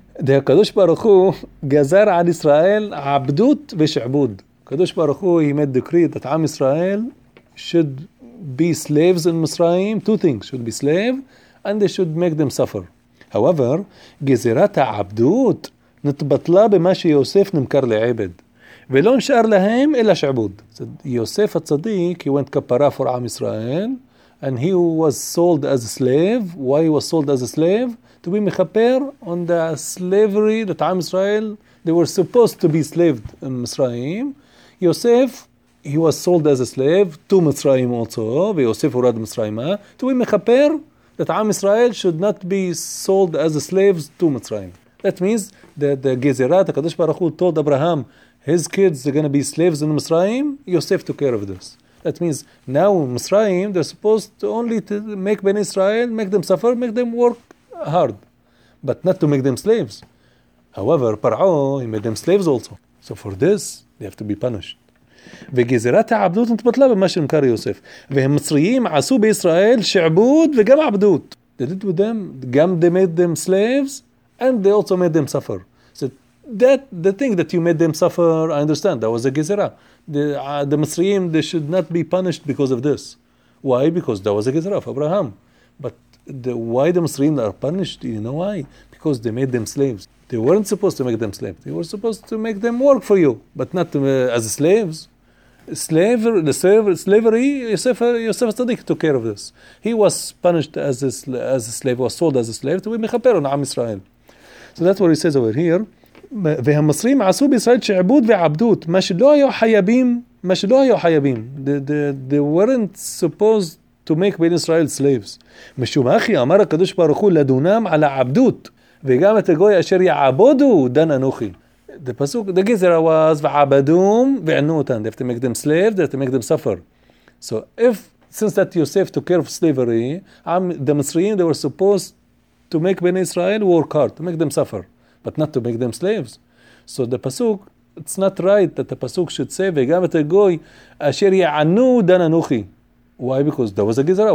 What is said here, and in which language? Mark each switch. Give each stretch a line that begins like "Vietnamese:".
Hebrew: הקדוש ברוך הוא גזר על ישראל עבדות ושעבוד. הקדוש ברוך הוא ימד דקרית את עם ישראל
English: should be slaves in Mitzrayim. Two things should be slave and they should make them suffer.
Hebrew: However, גזירת העבדות נתבטלה במה שיוסף נמכר לעבד. ולא נשאר להם אלא שעבוד.
English: יוסף הצדיק, he went כפרה for עם ישראל and he was sold as a slave. Why he was sold as a slave? To be מכפר on the slavery that עם ישראל, they were supposed to be slaved in Mitzrayim. יוסף, he was sold as a slave to Mitzrayim also,
Hebrew: ויוסף הורד מצרימה,
English: to be מכפר that עם ישראל should not be sold as a slaves to Mitzrayim. That means that the Gezerah, the Kadosh Baruch Hu told Abraham, his kids are going to be slaves in Mitzrayim, Yosef took care of this. That means now in Mitzrayim, they're supposed to only to make Ben Israel, make them suffer, make them work hard, but not to make them slaves. However, Par'o, he made them slaves also. So for this, they have to be punished.
Hebrew: וגזירת העבדות נתבטלה במה שנמכר יוסף. והמצריים עשו בישראל שעבוד וגם עבדות.
English: They did with them, גם they made them slaves, and they also made them suffer. So that the thing that you made them suffer, I understand, that was a gezerah. The Mitzrayim, they should not be punished because of this. Why? Because that was a gezerah of Abraham. But why the Mitzrayim are punished? You know why? Because they made them slaves. They weren't supposed to make them slaves. They were supposed to make them work for you, but not as slaves. Slavery, Yosef HaTzadik took care of this. He was punished as a slave, was sold as a slave to be mechaper on Am Israel. So that's what he says over here.
Hebrew: והמצרים עשו בישראל שעבוד ועבדות, מה שלא היו חייבים, מה שלא היו חייבים.
English: They weren't supposed to make Ben Israel slaves.
Hebrew: משום אחי אמר הקדוש ברוך הוא לדונם על העבדות, וגם את הגוי אשר יעבודו דן אנוכי.
English: The pasuk, the gezerah was
Hebrew: ועבדום וענותן.
English: They have to make them slaves, they have to make them suffer. So if, since that Yosef took care of slavery, the Mitzrayim, they were supposed to make Ben Israel work hard, to make them suffer, but not to make them slaves. So the pasuk, it's not right that the pasuk should say,
Hebrew: וגם את הגוי אשר יענו דן אנוכי.
English: Why? Because that was a gezerah.